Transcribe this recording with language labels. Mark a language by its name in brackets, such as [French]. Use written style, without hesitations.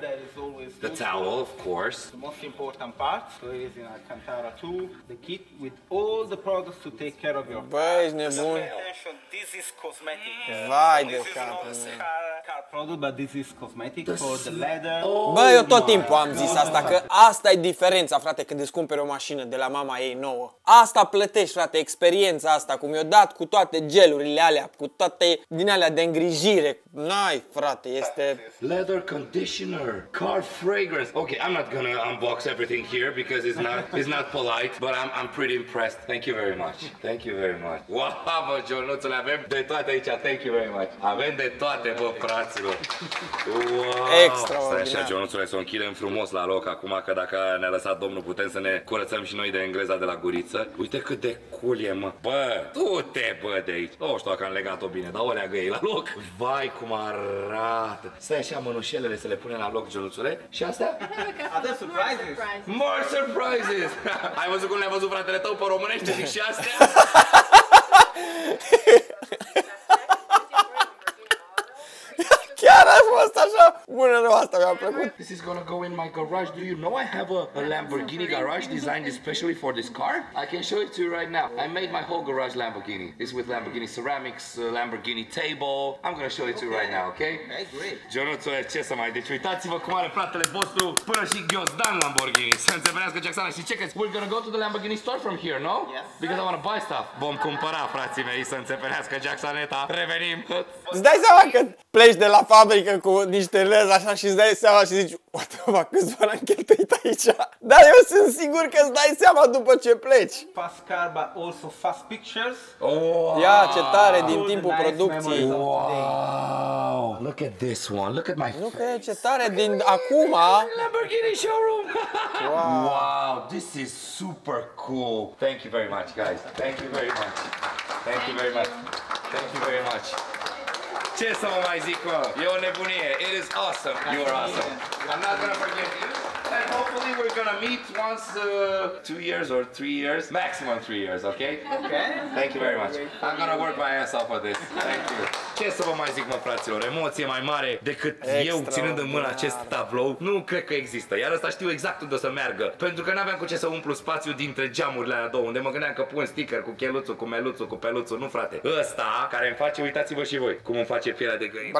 [English] That is always the useful. Towel, of course. The most important part. So it is in Alcantara 2. The kit with all the products to take care of your car. [Romanian] Băi, ești nebun. [English] This is cosmetic. [Romanian] Vai, de capul meu. [English] car product, but this is cosmetic for the leather. [Romanian] Bă, eu tot timpul am zis asta, că asta e diferența, frate, când îți cumperi o mașină de la mama ei nouă. Asta plătești, frate, experiența asta, cum i-o dat cu toate gelurile alea, cu toate din alea de îngrijire. N-ai, frate, este... [English] Leather conditioner, car fragrance. Ok, I'm not gonna unbox everything here because it's not polite, but I'm pretty impressed. Thank you very much. [Romanian] Wow, bă, Jonuțule, avem de toate aici. [English] Thank you very much. [Romanian] Avem de toate, bă, fraților. Wow. Extraordinar. Stai așa, Jonuțule, să o închidem frumos la loc acum, că dacă ne-a lăsat domnul, putem să ne curățăm și noi de engleza de la guriță. Uite cât de cool e, mă. Bă, du-te, bă, de aici. Nu știu dacă am legat-o bine, dar o leagă ei la loc. Vai, cum arată. Stai așa, mănușelele, să le punem la loc, Jonuțule. Și astea? Avem [English] surprises. More surprises. [Romanian] Ai văzut cum le-a văzut fratele tău pe românește? Și astea? Chiar a fost așa? Bună nevastă, mi-a plăcut. [English] This is gonna go in my garage. Do you know I have a Lamborghini garage designed especially for this car? I can show it to you right now. I made my whole garage Lamborghini. It's with Lamborghini ceramics, Lamborghini table. I'm gonna show it to you right now, okay? Okay, great. [Romanian] Jonuțule, ce să mai... Deci uitați-vă cum are fratele vostru până și ghiozdan Lamborghini. Să înțeverească Jacksana și checkers. [English] We're gonna go to the Lamborghini store from here, no? Yes. Because I wanna buy stuff. [Romanian] Vom cumpăra, frații mei, să înțeverească Jacksaneta. Revenim. Îți dai seama că pleci de la fabrică cu niște lăzi așa și îți dai seama și zici, o treaba, câți bani am cheltuit aici? Dar eu sunt sigur că îți dai seama după ce pleci. [English] Fast car, but also fast pictures. [Romanian] Oh, ia, ce tare, din timpul producției. [English] Wow, look at this one, look at my face. Look at [Romanian] ce tare, din acum. [English] Lamborghini showroom. Wow, this is super cool. Thank you very much, guys. Thank you very much. Thank you very much. Thank you very much. [Romanian] Ce să mă mai zic, mă? E o nebunie. [English] It is awesome. You are awesome. I'm not gonna forget you. And hopefully we're gonna meet once 2 years or 3 years. Maximum 3 years, okay? Okay. Thank you very much. I'm gonna work my ass off for this. Thank you. [Romanian] Ce să vă mai zic, mă, fraților? Emoție mai mare decât eu ținând în mână acest tablou. Nu cred că există. Iar ăsta știu exact unde o să meargă. Pentru că n-aveam cu ce să umplu spațiul dintre geamurile alea două. Unde mă gândeam că pun sticker cu cheluțul, cu meluțul, cu peluțul. Nu, frate. Ăsta care îmi face, uitați-vă și voi, cum îmi face pielea de găină.